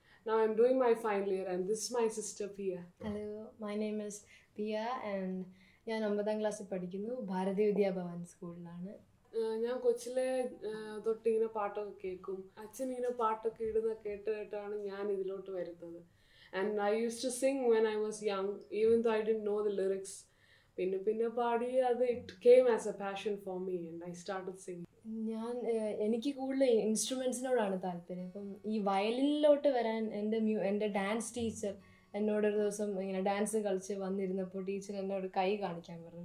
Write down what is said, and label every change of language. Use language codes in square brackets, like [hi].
[en] Now I'm doing my final year, and this is my sister Pia. Hello, my name is Pia, and I'm in 9th class at Bharathi Vidya Bhavan School. [ml] ഞാൻ കൊച്ചിലെ തൊട്ടിങ്ങനെ പാട്ടൊക്കെ കേൾക്കും. അച്ഛൻ ഇങ്ങനെ പാട്ടൊക്കെ ഇടുന്ന കേട്ട് കേട്ടാണ് ഞാൻ ഇതിലോട്ട് വരുന്നത്. [en] And I used to sing when I was young, even though I didn't know the lyrics. [ml] പിന്നെ പിന്നെ പാടി അത് [en] It came as a passion for me and I started singing. [ml] ഞാൻ എനിക്ക് കൂടുതൽ ഇൻസ്ട്രുമെൻസിനോടാണ് താല്പര്യം. അപ്പം ഈ വയലിനിലോട്ട് വരാൻ എൻ്റെ ഡാൻസ് ടീച്ചർ എന്നോടൊരു ദിവസം ഇങ്ങനെ ഡാൻസ് കളിച്ച് വന്നിരുന്നപ്പോൾ ടീച്ചർ എന്നോട് കൈ കാണിക്കാൻ പറഞ്ഞു.